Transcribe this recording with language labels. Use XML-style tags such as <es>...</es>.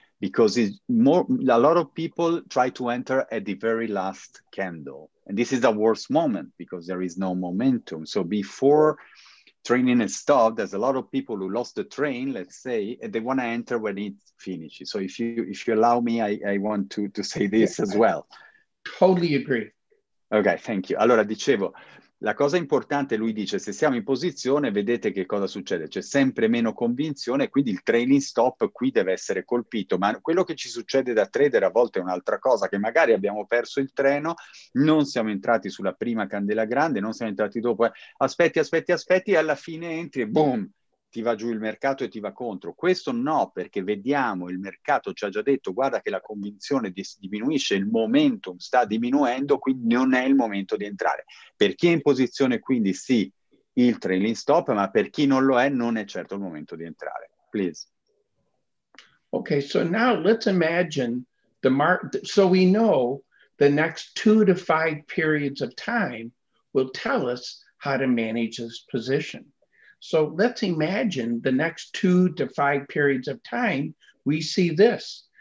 <en>Because it's a lot of people try to enter at the very last candle. And this is the worst moment because there is no momentum. So before training is stopped, there's a lot of people who lost the train, let's say, and they want to enter when it finishes. So if you allow me, I want to say this as well. Totally agree. Okay, thank you.</en> <it>Allora, dicevo, la cosa importante, lui dice, se siamo in posizione, vedete che cosa succede. C'è sempre meno convinzione, quindi il training stop qui deve essere colpito. Ma quello che ci succede da trader a volte è un'altra cosa, che magari abbiamo perso il treno, non siamo entrati sulla prima candela grande, non siamo entrati dopo. Aspetti, aspetti, aspetti, e alla fine entri e boom, ti va giù il mercato e ti va contro. Questo no, perché vediamo, il mercato ci ha già detto, guarda che la convinzione diminuisce, il momentum sta diminuendo, quindi non è il momento di entrare. Per chi è in posizione, quindi sì, il trailing stop, ma per chi non lo è, non è certo il momento di entrare.</it> <en>Please. Okay, so now let's imagine the market. So we know the next 2 to 5 periods of time will tell us how to manage this position. So let's imagine the next 2 to 5 periods of time, we see this.</en>